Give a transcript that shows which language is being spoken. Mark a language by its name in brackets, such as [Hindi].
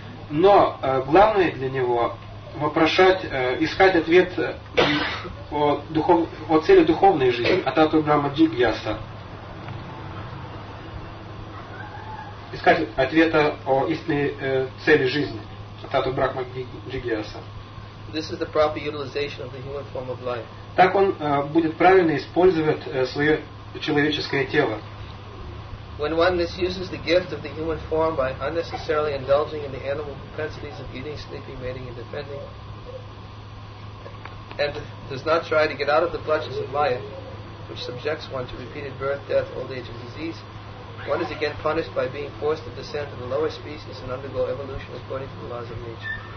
[Russian] Но главное для него вопрошать, искать ответ о цели духовной жизни, о тату брама джигьяса. Искать ответа о истинной цели жизни, о тату брама джигьяса. [English] This is the proper utilization of the human form of life. [Russian] Так он будет правильно использовать свое человеческое тело. [English] When one misuses the gift of the human form by unnecessarily indulging in the animal propensities of eating, sleeping, mating, and defending, and does not try to get out of the clutches of Maya, which subjects one to repeated birth, death, old age, and disease, one is again punished by being forced to descend to the lower species and undergo evolution according to the laws of nature.